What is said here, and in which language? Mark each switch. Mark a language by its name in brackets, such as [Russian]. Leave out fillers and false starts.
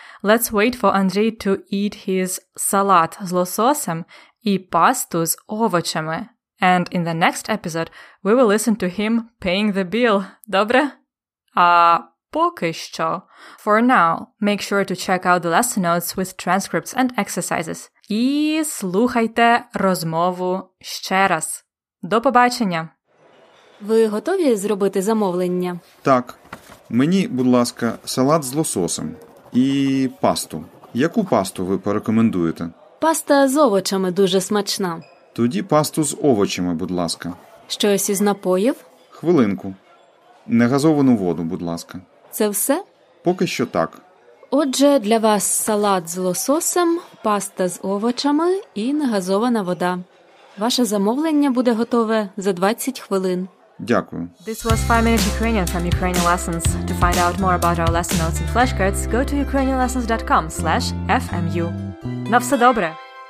[English] Let's wait for Andrei to eat his [Ukrainian] салат з лососем і пасту з овочами. [English] And in the next episode, we will listen to him paying the bill. [Ukrainian] Добре? А поки що. [English] For now, make sure to check out the lesson notes with transcripts and exercises. [Ukrainian] І слухайте розмову ще раз. До побачення! Ви готові зробити замовлення? Так. Мені, будь ласка, салат з лососем. І пасту. Яку пасту ви порекомендуєте? Паста з овочами дуже смачна. Тоді пасту з овочами, будь ласка. Щось із напоїв? Хвилинку. Негазовану воду, будь ласка. Це все? Поки що так. Отже, для вас салат з лососем, паста з овочами і негазована вода. Ваше замовлення буде готове за 20 хвилин. Дякую. [English] This was 5 Minutes Ukrainian from Ukrainian Lessons. To find out more about our lesson notes and flashcards, go to ukrainianlessons.com/fmu. [Ukrainian] На все добре!